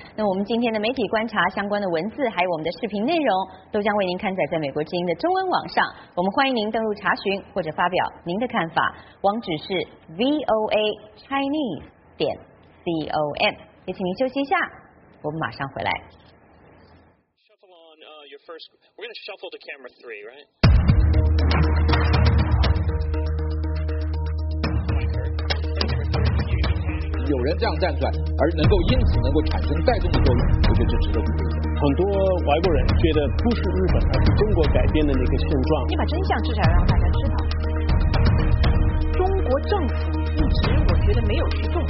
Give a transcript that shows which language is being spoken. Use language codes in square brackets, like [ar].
[zh] 那我们今天的媒体观察相关的文字还有我们的视频内容都将为您刊载在美国之音的中文网上，我们欢迎您登录查询或者发表您的看法，网址是 voachinese.com。也请您休息一下，我们马上回来。 [en] Shuffle on, your first, we're going to shuffle to camera three, right? [zh] 有人这样站出来，而能够因此能够产生带动的作用，我觉得这值得鼓励。很多外国人觉得不是日本，而是中国改变的那个现状。你把真相至少让大家知道。中国政府一直我觉得没有去动。